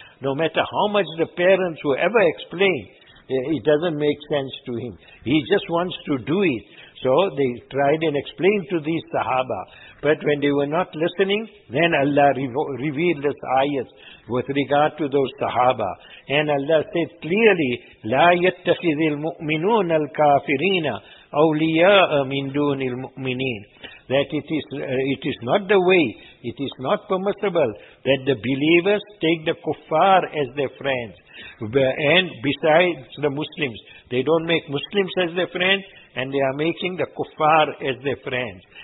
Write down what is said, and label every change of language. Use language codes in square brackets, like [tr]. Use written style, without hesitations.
[en] No matter how much the parents will ever explain, it doesn't make sense to him. He just wants to do it. So they tried and explained to these sahaba. But when they were not listening, then Allah revealed this ayat with regard to those sahaba. And Allah said clearly, [ar] لَا يَتَّخِذِ الْمُؤْمِنُونَ الْكَافِرِينَ أَوْلِيَاءَ مِنْ دُونِ الْمُؤْمِنِينَ. [en] That it is not the way, it is not permissible that the believers take the kuffar as their friends. And besides the Muslims, they don't make Muslims as their friends, and they are making the kuffar as their friends.